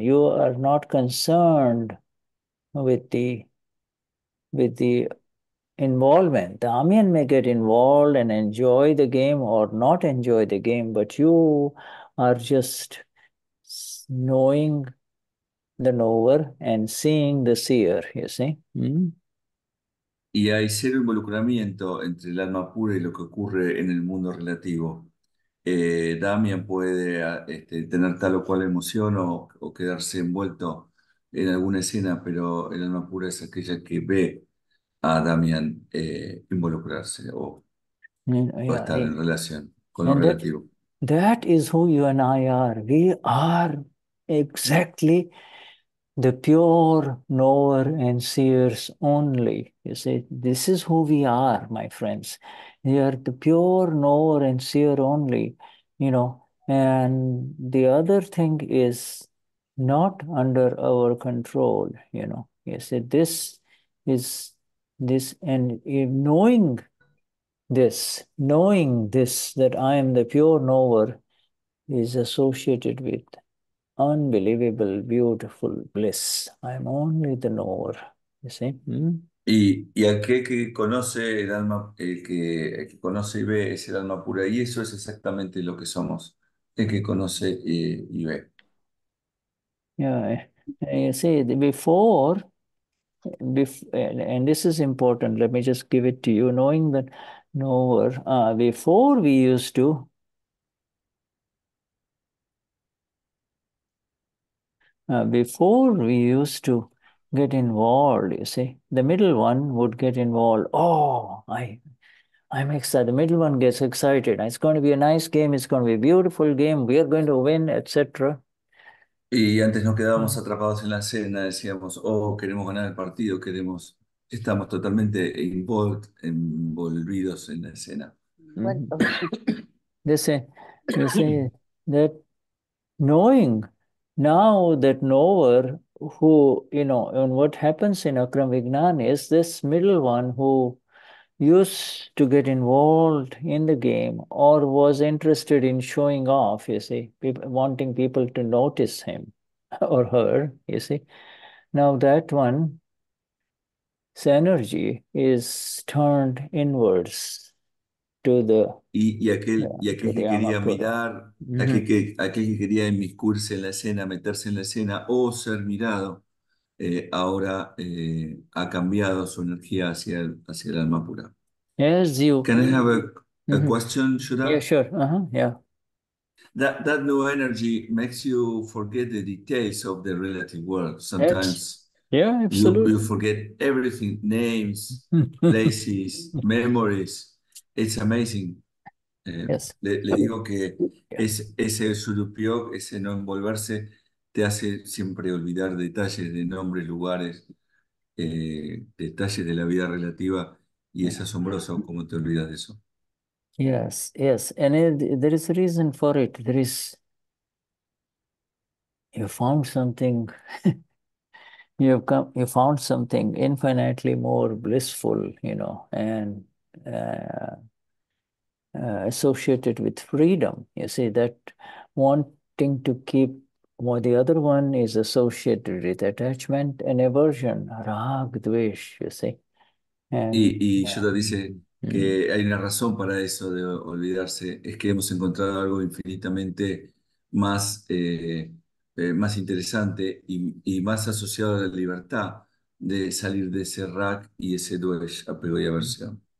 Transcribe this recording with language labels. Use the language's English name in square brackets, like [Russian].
[English] You are not concerned with the involvement. Damian may get involved and enjoy the game or not enjoy the game, but you are just knowing the knower and seeing the seer, you see. [Spanish] Y hay cero involucramiento entre el alma pura y lo que ocurre en el mundo relativo. Damian puede tener tal o cual emoción o quedarse envuelto en alguna escena, pero el alma pura es aquella que ve a Damian involucrarse o estar en relación con lo [English] and [Spanish] relativo. [English] That is who you and I are. We are exactly the pure knower and seers only. You see, this is who we are, my friends. We are the pure knower and seer only, you know. And the other thing is not under our control, you know. You see, this is this, and knowing this, that I am the pure knower is associated with unbelievable, beautiful bliss. I am only the knower. You see. [Spanish] Y aquel que conoce el alma, el que conoce y ve es el alma pura. Y eso es exactamente lo que somos. El que conoce y ve. [English] Yeah. You see, before, and this is important. Let me just give it to you. Knowing the knower. Before we used to. Before we used to get involved, you see. The middle one would get involved. Oh, I'm excited. The middle one gets excited. It's going to be a nice game. It's going to be a beautiful game. We are going to win, etc. [Spanish] Y antes nos quedábamos atrapados en la cena, decíamos, oh, queremos ganar el partido, queremos, estamos totalmente envolvidos en la escena. [English] They say that knowing now that knower who, you know, and what happens in Akram Vignan is this middle one who used to get involved in the game or was interested in showing off, you see, wanting people to notice him or her, you see. Now that one's energy is turned inwards to the [Spanish] aquel que quería inmiscuirse en la escena, meterse en la escena o ser mirado, ahora ha cambiado su energía hacia el alma pura. [English] Yes, you. Can I have a question, Shuddha? Yeah, sure. Uh-huh. Yeah. That new energy makes you forget the details of the relative world. Sometimes absolutely. You forget everything, names, places, memories. It's amazing. Yes. [Spanish] Le digo que ese surupyog, ese no envolverse, te hace siempre olvidar detalles de nombres, lugares, detalles de la vida relativa, y es asombroso cómo te olvidas de eso. [English] Yes, yes. And there is a reason for it. There is, you found something, you found something infinitely more blissful, you know, and associated with freedom. You see, that wanting to keep what the other one is associated with, attachment and aversion, rag, dvesh, you see. [Spanish] Y Shuddha dice que hay una razón para eso de olvidarse, es que hemos encontrado algo infinitamente más, más interesante y más asociado a la libertad de salir de ese rag y ese dvesh, apego y aversión.